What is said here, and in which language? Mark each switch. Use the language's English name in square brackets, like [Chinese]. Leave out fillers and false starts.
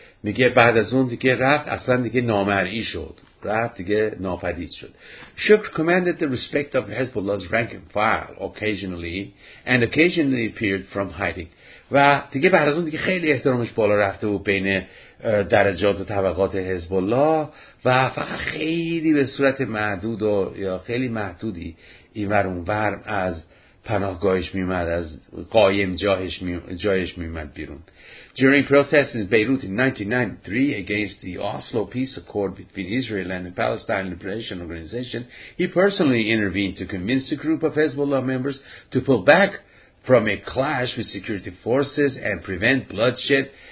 [Persian] میگه بعد از اون دیگه رفت اصلا دیگه نامرئی شد، رفت دیگه ناپدید شد. [English] Shukr commanded the respect of Hezbollah's rank and file occasionally and occasionally appeared from hiding. [Persian] و دیگه بعد از اون دیگه خیلی احترامش بالا رفته بود بین درجات و طبقات حزب‌الله و فقط خیلی به صورت محدود و یا خیلی محدودی اینور اونور از پناهگاهش میمد، از قایم جایش میمد بیرون. [English] During protests in Beirut in 1993 against the Oslo Peace Accord between Israel and the Palestine Liberation Organization, he personally intervened to convince a group of Hezbollah members to pull back from a clash with security forces and prevent bloodshed.